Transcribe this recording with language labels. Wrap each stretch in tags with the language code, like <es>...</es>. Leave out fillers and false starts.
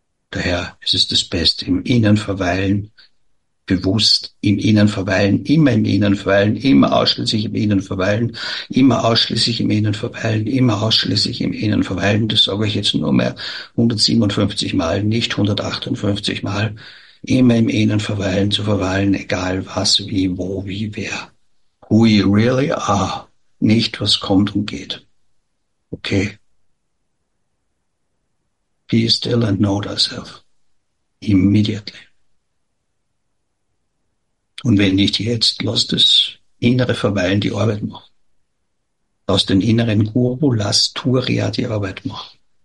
<de>Daher ist es das Beste, im Innern verweilen, bewusst im Innern verweilen, immer im Innern verweilen, immer ausschließlich im Innern verweilen, immer ausschließlich im Innern verweilen, immer ausschließlich im Innern verweilen. Das sage ich jetzt nur mehr 157 Mal, nicht 158 Mal. Immer im Innern verweilen, zu verweilen, egal was, wie, wo, wie, wer.</de> <en>Who you really are,</en> <de>nicht was kommt und geht.</de> <en>Okay. Be still and know thyself. Immediately.</en> <de>Und wenn nicht jetzt, lass das innere Verweilen die Arbeit machen. Lass den inneren Guru, lass Turiya die Arbeit machen.</de>